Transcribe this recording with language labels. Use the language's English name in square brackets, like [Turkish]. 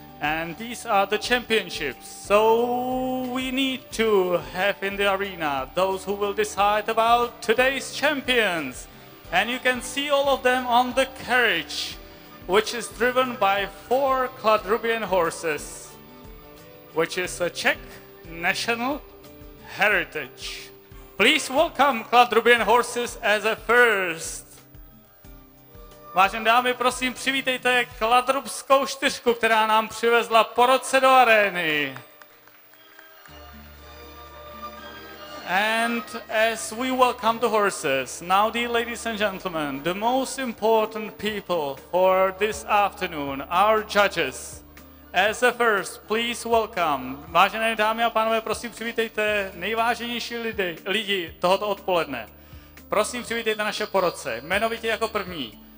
[English] And these are the championships. So we need to have in the arena those who will decide about today's champions. And you can see all of them on the carriage, which is driven by four Kladruben horses, which is a Czech national heritage. Please welcome Kladruben horses as a first. [Czech] Vážené dámy, prosím, přivítejte Kladrubskou čtyřku, která nám přivezla porodce do arény. [English] And as we welcome the horses, now dear ladies and gentlemen, the most important people for this afternoon, our judges. As a first, please welcome. [Czech] Vážené dámy a pánové, prosím, přivítejte nejváženější lidi tohoto odpoledne. Prosím, přivítejte naše porodce, jmenovitě jako první.